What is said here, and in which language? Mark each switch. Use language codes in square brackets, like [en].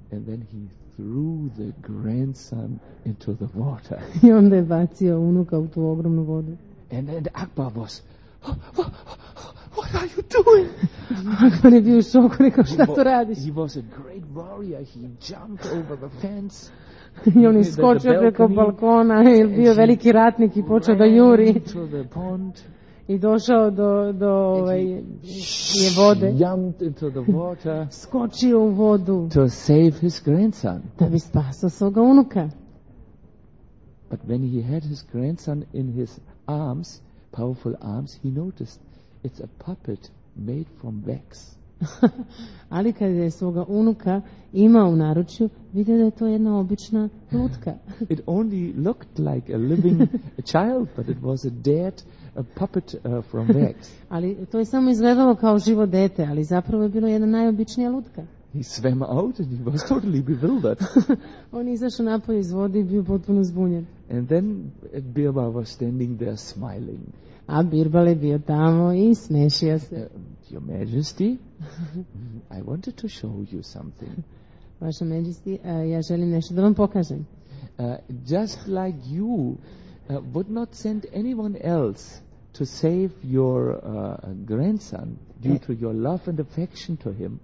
[en] And then he threw the grandson into the water. [sr] I onda je bacio unuka u tu ogromnu vodu. [en] And then Akbar was, what are you doing? [sr] Akbar je bio u šoku, rekao, šta to radiš? [en] He was a great warrior. He jumped over the fence. [sr] I on je skočio preko balkona, je bio veliki ratnik i počeo da juri. [en] Into the pond. [sr] I došao do ovaj je vode. [en] Jumped into the water. [sr] Skočio u vodu. [en] To save his grandson. [sr] Da bi spasao svoga unuka. [en] But when he had his grandson in his arms, powerful arms, he noticed it's a puppet made from wax. [sr] Ali kad je svoga unuka imao u naručju, vidio da je to jedna obična lutka. [en] It only looked like a living child, but it was a dead puppet from wax. [sr] Ali to je samo izgledalo kao živo dete, ali zapravo je bilo jedna najobičnija lutka. [en] He swam out and he was totally bewildered. [sr] On je izašao napolje iz vode i bio potpuno zbunjen. [en] And then Birbal was standing there smiling. [sr] A Birbal je bio tamo i smešio se. [en] Your Majesty, I wanted to show you something. [sr] Vaša Majesty, ja želim nešto da vam pokažem. [en] Just like you would not send anyone else to save your grandson due to your love and affection to him.